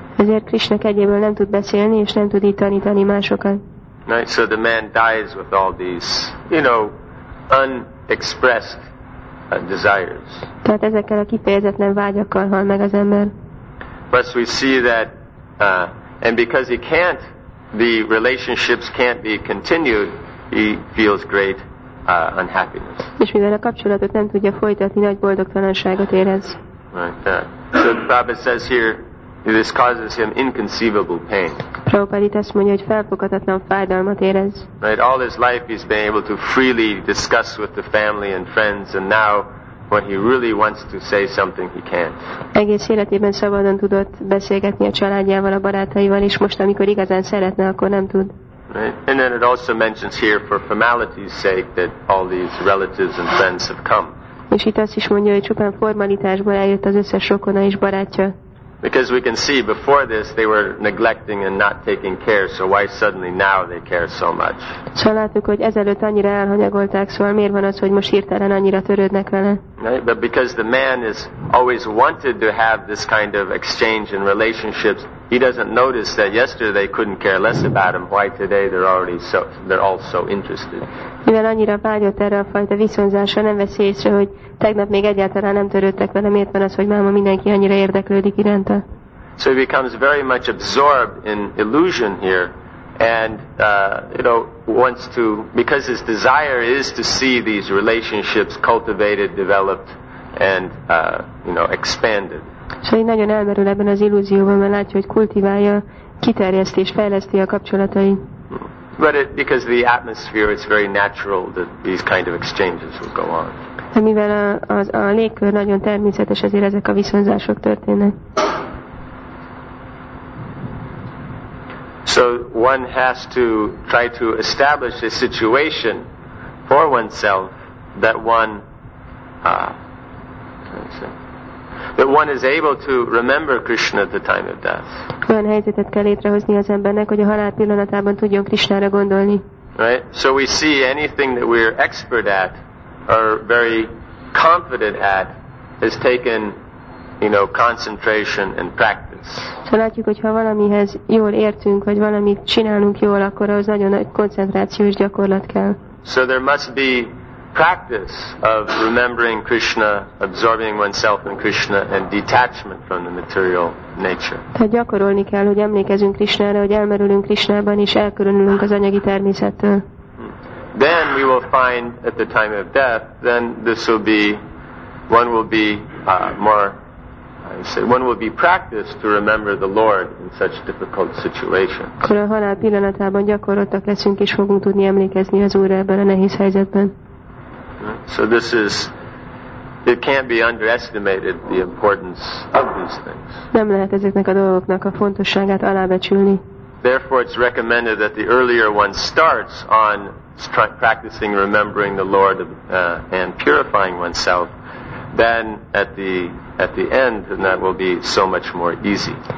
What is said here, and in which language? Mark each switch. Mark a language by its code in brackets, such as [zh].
[hu] Ezért Krishna kegyéből nem tud beszélni, és nem tud így tanítani másokat. [en] Right, so the man dies with all these, you know, unexpressed desires. [hu] Tehát ezekkel a kifejezetlen vágyakkal hal meg az ember. [en] Plus we see that, and because he can't, the relationships can't be continued, he feels great unhappiness. [hu] És mivel a kapcsolatot nem tudja folytatni, nagy boldogtalanságot érez. [en] Right, so Prabhupada says here, this causes him inconceivable pain. [hu] Prabhupada itt azt mondja, hogy felfoghatatlan fájdalmat érez. [en] Right, all his life he's been able to freely discuss with the family and friends, and now when he really wants to say something, he can't. [hu] Egész életében szabadon tudott beszélgetni a családjával, a barátaival, és most, amikor igazán szeretne, akkor nem tud. [en] Right. And then it also mentions here, for formality's sake, that all these relatives and friends have come. [hu] És itt azt is mondja, hogy csupán formalitásból eljött az összes rokona és barátja. [en] Because we can see before this they were neglecting and not taking care, so why suddenly now they care so much? [hu] Szóval látjuk, hogy ezelőtt annyira elhanyagolták, szóval miért van az, hogy most hirtelen annyira törődnek vele? [en] Right? But because the man is always wanted to have this kind of exchange in relationships, he doesn't notice that yesterday they couldn't care less about him, why today they're all so interested. [hu] Mivel annyira vágyott erre a fajta viszonzásra, nem veszi észre, hogy tegnap még egyáltalán nem törődtek vele, miért van az, hogy máma mindenki annyira érdeklődik iránta. [en] So he becomes very much absorbed in illusion here, And, you know, wants to, because his desire is to see these relationships cultivated, developed, and, you know, expanded. So he's [hu] nagyon elmerül ebben az illúzióban, mert látja, hogy kultiválja, kiterjeszti és fejleszti a kapcsolatait. [en] But it, because of the atmosphere, it's very natural that these kind of exchanges will go on. [hu] De mivel a légkör nagyon természetes, ezért ezek a viszonzások történnek. [en] So one has to try to establish a situation for oneself that one is able to remember Krishna at the time of death. [hu] Olyan helyzetet kell létrehozni az embernek, hogy a halál pillanatában tudjon Krishnára gondolni. [en] Right? So we see anything that we're expert at or very confident at has taken, you know, concentration and practice. [hu] Szóval látjuk, hogy ha valamihez jól értünk, vagy valamit csinálunk jól, akkor az nagyon nagy koncentráció és gyakorlat kell. [en] So there must be practice of remembering Krishna, absorbing oneself in Krishna, and detachment from the material nature. [hu] Tehát gyakorolni kell, hogy emlékezünk Krishnára, hogy elmerülünk Krishnában, és elkülönülünk az anyagi természettől. [en] Then we will find at the time of death, then this will be, one will be more. One will be practiced to remember the Lord in such difficult situation. [hu] Akkor a halál pillanatában gyakorlottak leszünk és fogunk tudni emlékezni az Úrra ebben a nehéz helyzetben. [en] So this is, it can't be underestimated the importance of these things. [hu] Nem lehet ezeknek a dolgoknak a fontosságát alábecsülni. [en] Therefore, it's recommended that the earlier one starts on practicing remembering the Lord and purifying oneself, then at the end, then that will be so much more easy.